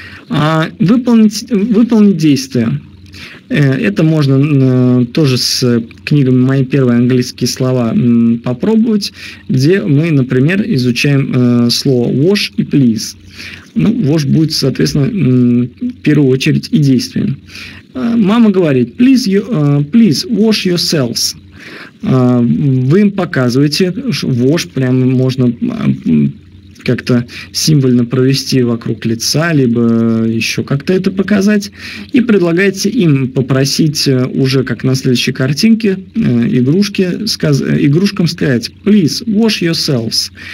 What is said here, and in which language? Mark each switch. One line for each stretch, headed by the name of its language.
Russian: А выполнить действие. Это можно тоже с книгами «Мои первые английские слова» попробовать, где мы, например, изучаем слово «wash» и «please». Ну, «wash» будет, соответственно, в первую очередь и действием. Мама говорит
English: «please wash yourselves».
Russian: Вы им показываете «wash», прямо можно как-то символьно провести вокруг лица, либо еще как-то это показать, и предлагаете им попросить уже как на следующей картинке игрушкам сказать
English: «please wash yourselves»